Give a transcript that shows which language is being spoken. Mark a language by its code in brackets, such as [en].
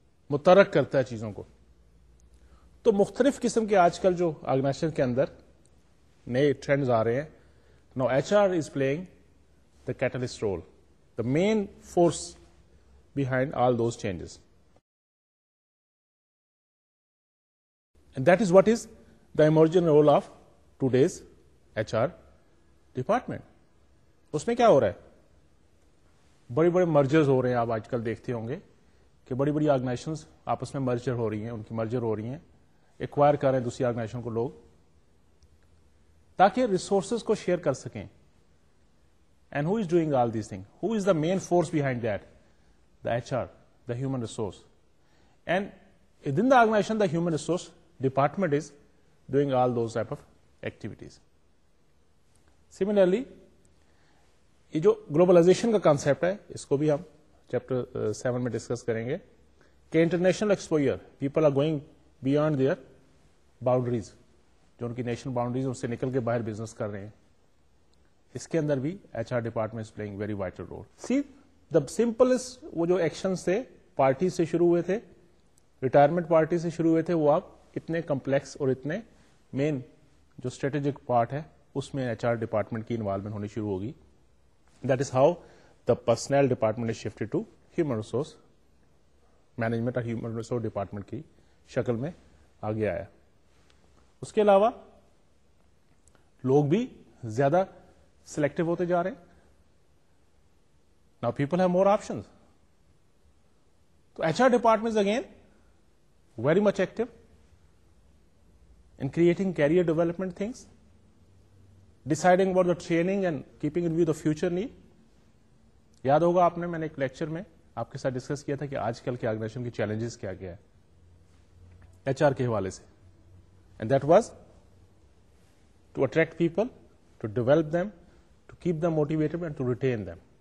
[ur] متحرک کرتا ہے چیزوں کو تو مختلف قسم کے آج کل جو آرگنائزیشن کے اندر نئے ٹرینڈز آ رہے ہیں [en] now H R is playing the catalyst role the main force behind all those changes and that is what is the emerging role of today's H R department [ur] اس میں کیا ہو رہا ہے بڑے بڑے مرجرز ہو رہے ہیں آپ آج کل دیکھتے ہوں گے کہ بڑی بڑی آرگنائزیشنز آپس میں مرجر ہو رہی ہیں, ان کی مرجر ہو رہی ہیں, ایکوائر کر رہے ہیں دوسری آرگنائزیشن کو لوگ, تاکہ ریسورسز کو شیئر کر سکیں. [en] And who is doing all these thing, who is the main force behind that, the H R, the human resource. And in the organization the human resource department is doing all those type of activities. [ur] Similarly یہ جو globalisation کا concept ہے اس کو بھی ہم chapter 7 میں discuss کریں گے, کہ [en] international exposure people are going beyond their boundaries, [ur] جو ان کی نیشنل باؤنڈریز اس سے نکل کے باہر بزنس کر رہے ہیں, اس کے اندر بھی H R department [en] Playing very vital role. See the simplest, [ur] وہ جو ایکشنز تھے پارٹی سے شروع ہوئے تھے, ریٹائرمنٹ پارٹی سے شروع ہوئے تھے, وہ اب اتنے کمپلیکس اور اتنے مین جو اسٹریٹجک پارٹ ہے اس میں ایچ آر ڈپارٹمنٹ کی انوالومنٹ ہونی شروع ہوگی. [en] that is how the personnel department is shifted to human resource management, [ur] اور ہیومن ریسورس ڈپارٹمنٹ کی شکل میں آگے آیا. اس کے علاوہ لوگ بھی زیادہ سلیکٹو ہوتے جا رہے ہیں, [en] Now people have more options. تو H R department again very much active in creating career development things, deciding about the training and keeping in view the future need. [ur] یاد ہوگا آپ نے, میں نے ایک لیکچر میں آپ کے ساتھ ڈسکس کیا تھا کہ آج کل کے آرگنائزیشن کے چیلنجز کیا کیا ہے ایچ آر کے حوالے سے. [en] And that was to attract people, to develop them, to keep them motivated and to retain them.